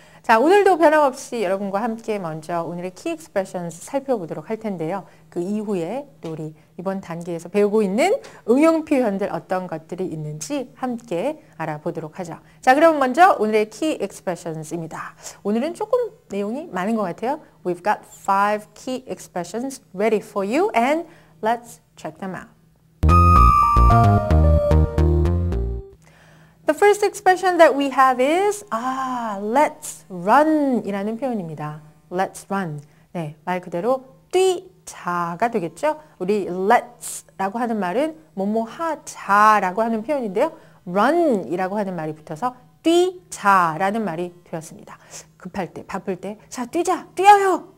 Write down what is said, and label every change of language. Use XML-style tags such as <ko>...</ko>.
<ko>자, 오늘도 변함없이 여러분과 함께 먼저 오늘의 key expressions 살펴보도록 할 텐데요. 그 이후에 또 우리 이번 단계에서 배우고 있는 응용 표현들 어떤 것들이 있는지 함께 알아보도록 하죠. 자, 그럼 먼저 오늘의 key expressions입니다. 오늘은 조금 내용이 많은 것 같아요.</ko> <en>We've got five key expressions ready for you and let's check them out. The first expression that we have is, let's run</en> <ko>이라는 표현입니다.</ko> <en>Let's run.</en> <ko>네, 말 그대로 뛰자가 되겠죠? 우리 let's 라고 하는 말은 뭐뭐 하자라고 하는 표현인데요. run 이라고 하는 말이 붙어서 뛰자라는 말이 되었습니다. 급할 때, 바쁠 때, 자, 뛰자, 뛰어요!</ko>